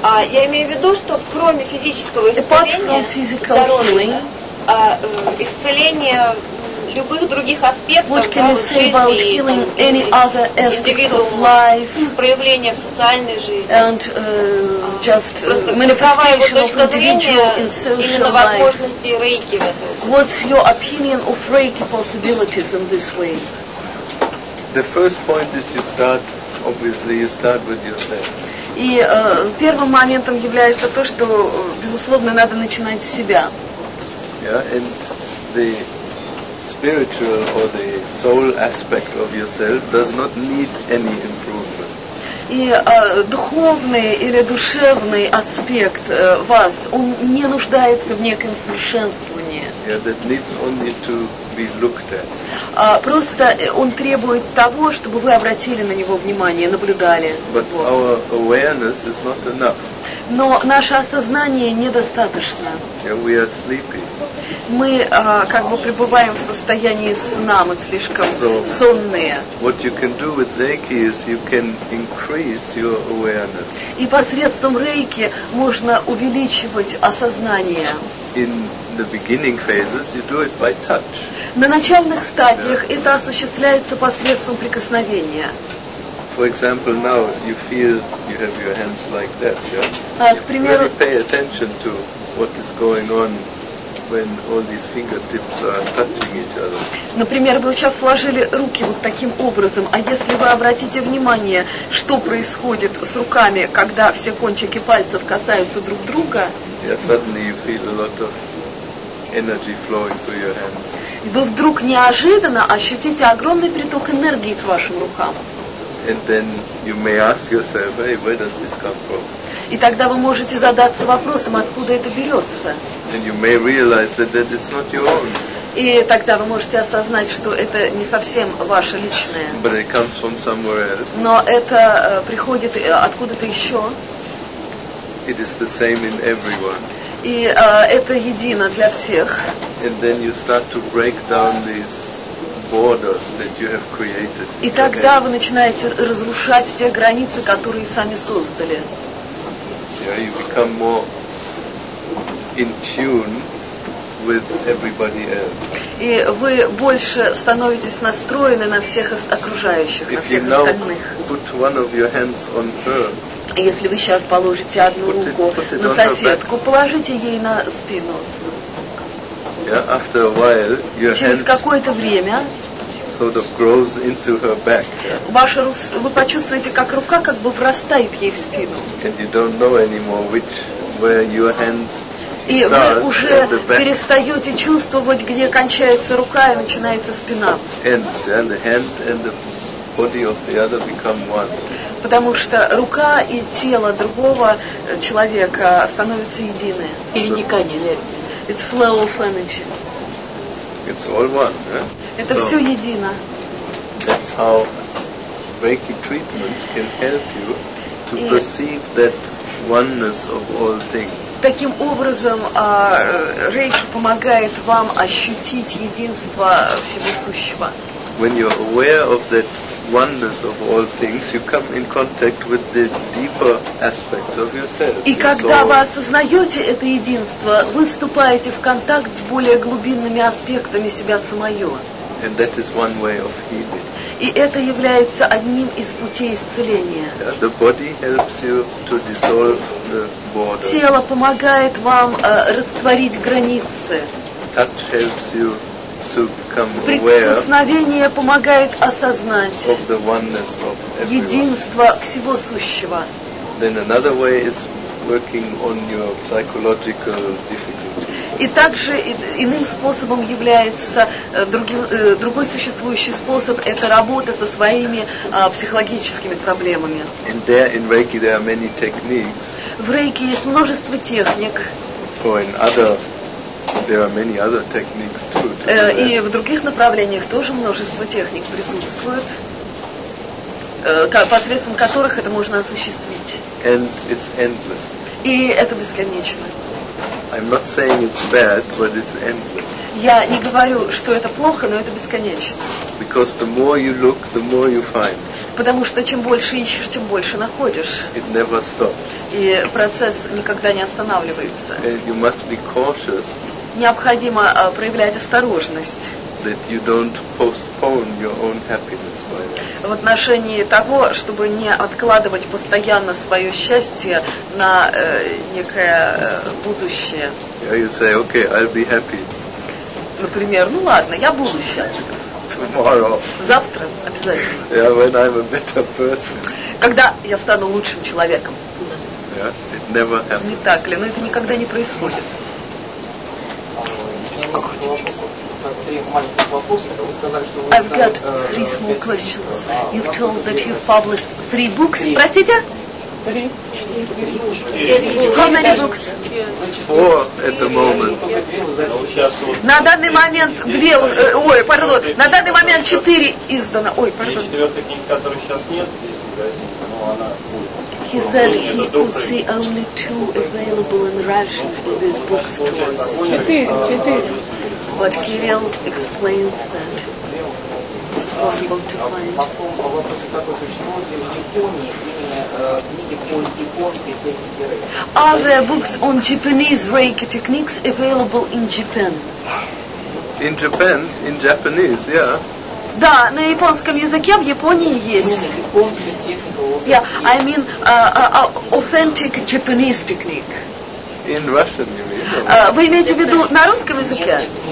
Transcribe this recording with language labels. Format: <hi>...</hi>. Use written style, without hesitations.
<ru>Я имею в виду, что кроме физического исцеления, исцеления любых других аспектов жизни, индивидуума, проявления в социальной жизни, and, просто какова его точка зрения именно возможности рейки в этом?</ru> <en>What's your opinion of reiki possibilities in this way? The first point is you start, obviously, you start with yourself.</en> <ru>И первым моментом является то, что, безусловно, надо начинать с себя.</ru> <en>Yeah, and the spiritual or the soul aspect of yourself does not need any improvement.</en> <ru>И духовный или душевный аспект вас, он не нуждается в неком совершенствовании.</ru> <en>Yeah, that needs only to be looked at.</en> <ru>Просто он требует того, чтобы вы обратили на него внимание, наблюдали.</ru> <en>But our awareness is not enough.</en> <ru>Но наше осознание недостаточно.</ru> <en>Yeah, we are sleepy.</en> <ru>Мы как бы пребываем в состоянии сна, мы слишком сонные.</ru> <en>What you can do with reiki is you can increase your awareness.</en> <ru>И посредством рейки можно увеличивать осознание.</ru> <en>In the beginning phases you do it by touch.</en> <ru>На начальных стадиях yeah. это осуществляется посредством прикосновения.</ru> <en>For example, now you feel you have your hands like that, yeah? You</en> <ru>примеру,</ru> <en>really pay attention to what is going on when all these fingertips are touching each other.</en> <ru>Например, вы сейчас сложили руки вот таким образом, а если вы обратите внимание, что происходит с руками, когда все кончики пальцев касаются друг друга,</ru> <en>yeah, suddenly you feel a lot of energy flowing through your hands.</en> <ru>Вы вдруг неожиданно ощутите огромный приток энергии к вашим рукам.</ru> <en>And then you may ask yourself, hey, where does this come from?</en> <ru>И тогда вы можете задаться вопросом, откуда это берется.</ru> <en>And you may realize that it's not your own.</en> <ru>И тогда вы можете осознать, что это не совсем ваше личное.</ru> <en>But it comes from somewhere else.</en> <ru>Но это приходит откуда-то еще.</ru> <en>It is the same in everyone.</en> <ru>И это едино для всех.</ru> <en>And then you start to break down these borders that you have created.</en> <ru>И тогда вы начинаете разрушать те границы, которые сами создали.</ru> <en>Yeah, you become more in tune with everybody else.</en> <ru>И вы больше становитесь настроены на всех окружающих,</ru> <en>if</en> <ru>на всех остальных.</ru> <en>Put one of your hands on her.</en> <ru>Если вы сейчас положите одну руку на соседку, положите ей на спину.</ru> <en>Yeah, after a while, your</en> <ru>через какое-то время</ru> <en>sort of grows into her back, yeah?</en> <ru>Ваша вы почувствуете, как рука как бы врастает ей в спину.</ru> <en>And you don't know anymore which, where your hands</en> <ru>и вы уже перестаете чувствовать, где кончается рука и начинается спина.</ru> <en>Ends, yeah? The hand and the body of the other become one.</en> <ru>Потому что рука и тело другого человека становятся едины. Переникание энергии.</ru> <en>It's flow of energy. It's all one, yeah?</en> <ru>Это все едино.</ru> <en>That's how Reiki treatments can help you to perceive that oneness of all things.</en> <ru>таким образом рейки помогает вам ощутить единство всего сущего.</ru> <en>When you are aware of that oneness of all things, you come in contact with the deeper aspects of yourself.</en> <ru>И когда вы осознаете это единство, вы вступаете в контакт с более глубинными аспектами себя самого.</ru> <en>And that is one way of healing.</en> <ru>И это является одним из путей исцеления.</ru> <en>The body helps you to dissolve the borders.</en> <ru>Тело помогает вам растворить границы.</ru> <en>Touch helps you to become aware.</en> <ru>Прикосновение помогает осознать</ru> <en>of the oneness of everyone.</en> <ru>Единство всего сущего.</ru> <en>Then another way is working on your psychological difficulties.</en> <ru>И также иным способом является другой существующий способ – это работа со своими психологическими проблемами.</ru> <en>And there, in Reiki, there are many techniques.</en> <ru>В Рейки есть множество техник.</ru> <en>Oh, and other, there are many other techniques too.</en> <ru>И в других направлениях тоже множество техник присутствует, посредством которых это можно осуществить.</ru> <en>And it's endless.</en> <ru>И это бесконечно.</ru> <en>I'm not saying it's bad, but it's endless.</en> <ru>Я не говорю, что это плохо, но это бесконечно.</ru> <en>Because the more you look, the more you find.</en> <ru>Потому что чем больше ищешь, тем больше находишь.</ru> <en>It never stops.</en> <ru>И процесс никогда не останавливается.</ru> <en>And you must be cautious.</en> <ru>Необходимо проявлять осторожность.</ru> <en>That you don't postpone your own happiness by that.</en> <ru>В отношении того, чтобы не откладывать постоянно свое счастье на некое будущее.</ru> <en>Yeah, you say, okay, I'll be happy.</en> <ru>Например, ну ладно, я буду счастлив.</ru> <en>Tomorrow.</en> <ru>Завтра обязательно.</ru> <en>Yeah, when I'm a better person.</en> <ru>Когда я стану лучшим человеком.</ru> <en>Yeah, it never happens.</en> <ru>Не так ли? Но это никогда не происходит.</ru> <en>I've got three small questions. You've told that you've published three books.</en> <ru>Простите?</ru> <en>How many books? Four at the moment.</en> <ru>На данный момент две. Ой, пардон. На данный момент четыре издано. Ой, пардон.</ru> <en>He said he could see only two available in Russian in these bookstores. But Kirill explains that it's possible to find. Are there books on Japanese Reiki techniques available in Japan? In Japan? In Japanese, yeah.</en> <ru>Да, на японском языке в Японии есть.</ru> <en>Yeah, I mean authentic Japanese technique. In Russian, you mean?</en> <ru>Вы имеете в виду на русском языке?</ru>